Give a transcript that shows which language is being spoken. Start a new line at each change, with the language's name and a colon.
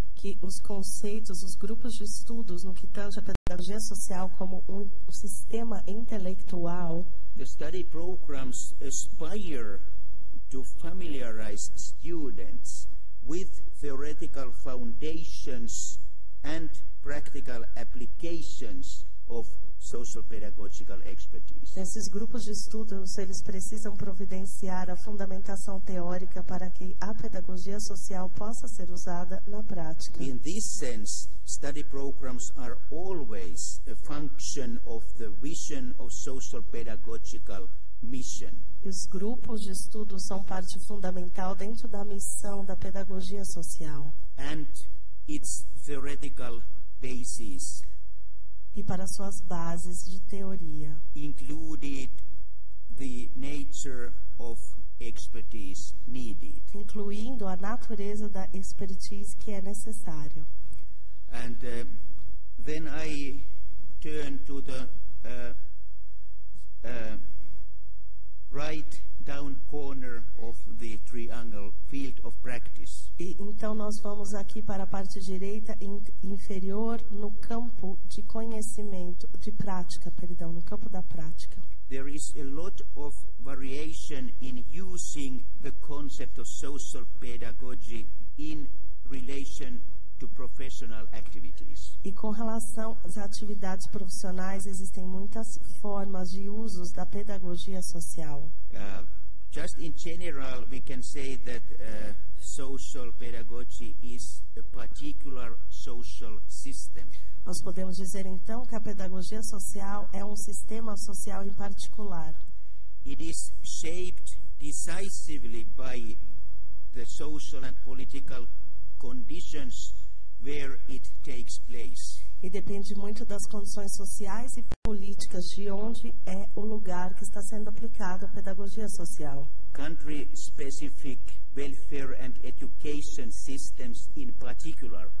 Portuguese: Que os conceitos, os grupos de estudos no que tange a pedagogia social como um sistema intelectual.
English: The study programs aspire to familiarize students with theoretical foundations and practical applications of social pedagogical expertise.
Portuguese: Esses grupos de estudos, eles precisam providenciar a fundamentação teórica para que a pedagogia social possa ser usada na prática.
English: In this sense, study programs are always a function of the vision of social pedagogical mission.
Portuguese: Os grupos de estudos são parte fundamental dentro da missão da pedagogia social.
English: And its theoretical basis.
Portuguese: E para suas bases de teoria.
English: Included the nature of expertise needed.
Portuguese: Incluindo a natureza da expertise que é necessário.
English: And then I turn to the right down corner of the triangle field of practice.
Portuguese: E então nós vamos aqui para a parte direita inferior no campo de conhecimento de prática, perdão, no campo da prática.
English: There is a lot of variation in using the concept of social pedagogy in relation to professional activities.
Portuguese: E com relação às atividades profissionais, existem muitas formas de usos da pedagogia social.
English: Just in general, we can say that social pedagogy is a particular social system.
Portuguese: Nós podemos dizer então que a pedagogia social é um sistema social em particular.
English: It is shaped decisively by the social and political conditions where it takes place.
Portuguese: E depende muito das condições sociais e políticas de onde é o lugar que está sendo aplicado a pedagogia social.
English: Country-specific welfare and education systems in particular.